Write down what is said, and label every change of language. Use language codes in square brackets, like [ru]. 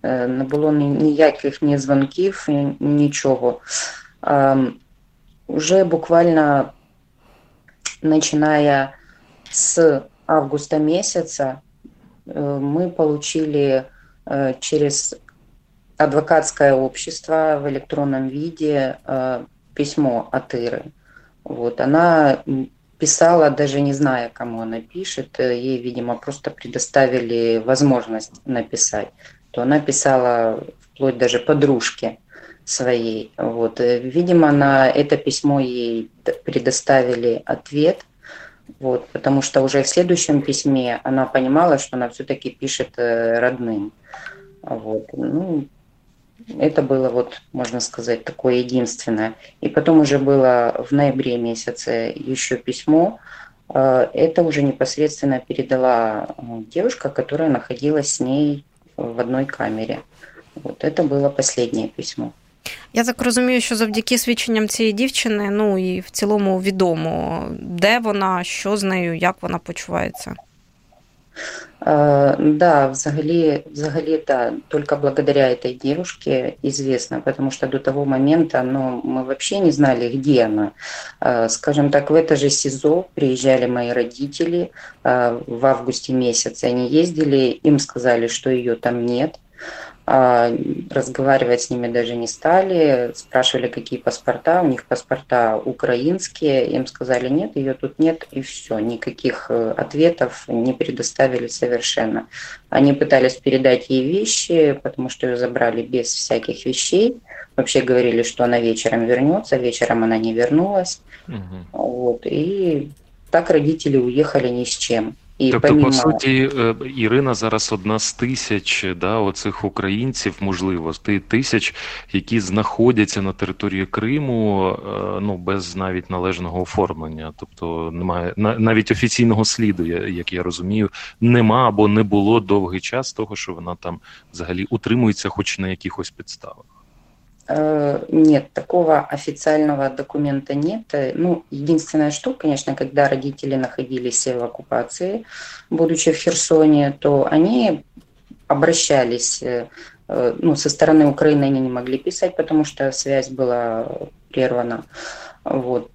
[uk] Не було ніяких ні дзвінків, нічого. Уже буквально, починаючи з августа місяця, ми отримали через [ru] адвокатское общество в электронном виде письмо от Иры. Вот, она писала, даже не зная, кому она пишет, ей, видимо, просто предоставили возможность написать. То она писала вплоть даже подружке своей. Вот, видимо, на это письмо ей предоставили ответ. Вот, потому что уже в следующем письме она понимала, что она все-таки пишет родным. Вот, ну, это было, вот, можно сказать, такое единственное. И потом уже было в ноябре месяце еще письмо. Это уже непосредственно передала девушка, которая находилась с ней в одной камере. Вот, это было последнее письмо. [uk] Я так розумію, що завдяки свідченням цієї дівчини, ну і в цілому відомо, де вона, що з нею, як вона почувається. [ru] Да, [uk] взагалі, да, тільки [ru] благодаря этой девушке известно, потому что до того момента, ну, мы вообще не знали, где она. Скажем так, в это же СИЗО приезжали мои родители в августе месяце, они ездили, им сказали, что ее там нет. Разговаривать с ними даже не стали, спрашивали, какие паспорта, у них паспорта украинские, им сказали, нет, ее тут нет, и все, никаких ответов не предоставили совершенно. Они пытались передать ей вещи, потому что ее забрали без всяких вещей, вообще говорили, что она вечером вернется, вечером она не вернулась, вот, и так родители уехали ни с чем. [uk] І тобто, [ru] помимо... [uk] по суті, Ірина зараз одна з тисяч, да, оцих українців, можливо, тисяч, які знаходяться на території Криму, ну, без навіть належного оформлення. Тобто, немає навіть офіційного сліду, як я розумію, нема або не було довгий час того, що вона там взагалі утримується хоч на якихось підставах. [ru] Нет, такого официального документа нет. Ну, единственное, что, конечно, когда родители находились в оккупации, будучи в Херсоне, то они обращались, ну, со стороны Украины они не могли писать, потому что связь была прервана. Вот.